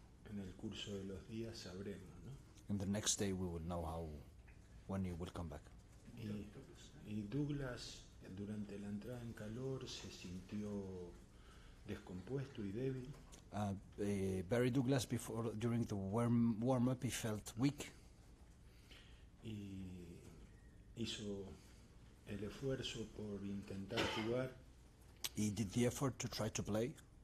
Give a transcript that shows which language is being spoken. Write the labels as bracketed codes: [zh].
[es] En el curso de los días sabremos, ¿no? [en] In the next day we will know when it will come back. [es] Y Douglas durante la entrada en calor se sintió descompuesto y débil. [en] Barry Douglas during the warm up he felt weak. [es] Y hizo el esfuerzo por intentar jugar. [en] He did the effort to try to play.